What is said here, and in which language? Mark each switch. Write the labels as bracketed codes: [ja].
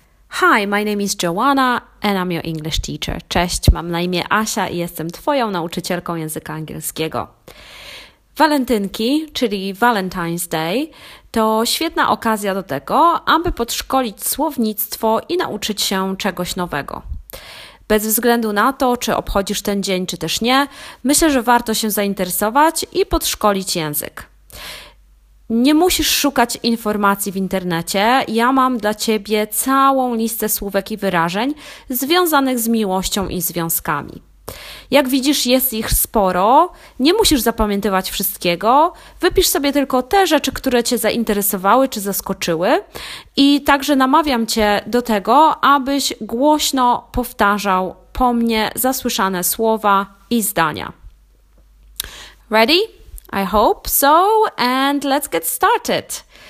[en] Hi, my name is Joanna and I'm your English teacher. [pl] Cześć, mam na imię Asia i jestem twoją nauczycielką języka angielskiego. Walentynki, czyli Valentine's Day, to świetna okazja do tego, aby podszkolić słownictwo i nauczyć się czegoś nowego. Bez względu na to, czy obchodzisz ten dzień, czy też nie, myślę, że warto się zainteresować i podszkolić język. Nie musisz szukać informacji w internecie. Ja mam dla Ciebie całą listę słówek i wyrażeń związanych z miłością i związkami. Jak widzisz, jest ich sporo. Nie musisz zapamiętywać wszystkiego. Wypisz sobie tylko te rzeczy, które Cię zainteresowały czy zaskoczyły. I także namawiam Cię do tego, abyś głośno powtarzał po mnie zasłyszane słowa i zdania. [en] Ready? I hope so, and let's get started.